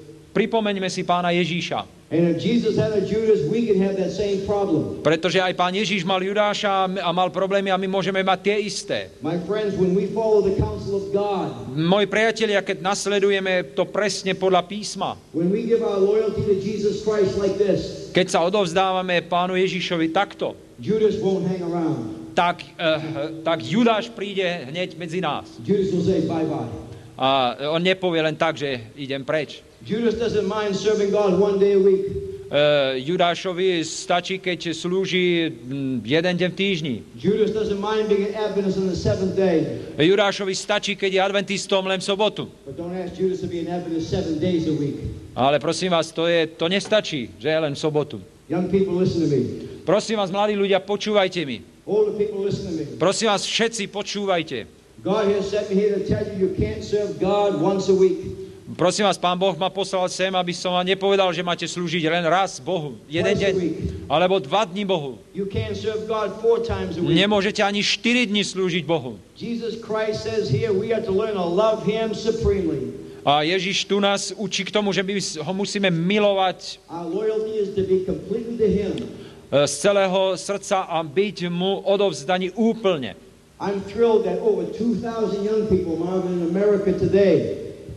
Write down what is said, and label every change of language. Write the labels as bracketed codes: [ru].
[sk] Pripomeňme si pána Ježíša. [en] And if Jesus had a Judas, we can have that same problem. [sk] Pretože aj pán Ježíš mal Judáša a mal problémy a my môžeme mať tie isté. [en] My friends, when we follow the counsel of God. [sk] Moji priatelia, keď nasledujeme to presne podľa písma. [en] When we give our loyalty to Jesus Christ like this. [sk] Keď sa odovzdávame pánu Ježíšovi takto. [en] Judas won't hang around. [sk] Tak Judáš príde hneď medzi nás. [en] Judas will say bye-bye. [sk] A on nepovie len tak, že idem preč. [en] Judas doesn't mind serving God one day a week. [sk] Judášovi stačí, keď slúži jeden deň v týždni. [en] Judas doesn't mind being an Adventist on the seventh day. [sk] Judášovi stačí, keď je adventistom len v sobotu. [en] But don't ask Judas to be an Adventist 7 days a week. [sk] Ale prosím vás, to nestačí, že je len v sobotu. [en] Young people, listen to me. [sk] Prosím vás, mladí ľudia, počúvajte mi. [en] Older people, listen to me. [sk] Prosím vás, všetci, počúvajte. [en] God has sent me here to tell you, you can't serve God once a week. [sk] Prosím vás, pán Boh ma poslal sem, aby som vám nepovedal, že máte slúžiť len raz Bohu, jeden deň, alebo dva dni Bohu. [en] You can't serve God 4 times a week. [sk] Nemôžete ani 4 dni slúžiť Bohu. [en] Jesus Christ says here we have to learn to love him supremely. [sk] A Ježiš tu nás učí k tomu, že my ho musíme milovať. [en] Our loyalty is to be completely to him. [sk] Z celého srdca a byť mu odovzdaní úplne. [en] I'm thrilled that over 2000 young people are in America today.